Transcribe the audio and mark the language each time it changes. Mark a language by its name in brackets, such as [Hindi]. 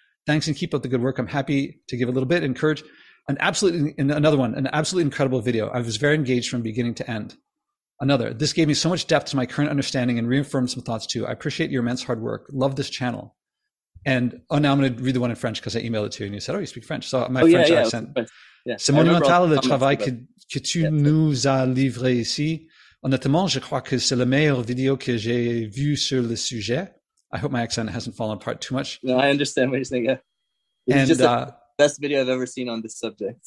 [English] Thanks and keep up the good work. I'm happy to give a little bit, encourage. An absolutely incredible video. I was very engaged from beginning to end. Another, this gave me so much depth to my current understanding and reaffirmed some thoughts too. I appreciate your immense hard work. Love this channel. And oh, now I'm going to read the one in French because I emailed it to you and you said, oh, you speak French. So my French accent. [French] Simone Montal, le travail que tu nous as livré ici. Honnêtement, je crois que c'est la meilleure vidéo que j'ai vue sur le sujet. [English] I hope my accent hasn't fallen apart too much. No, I understand what you're saying. Yeah. It's just the best video I've ever seen on this subject.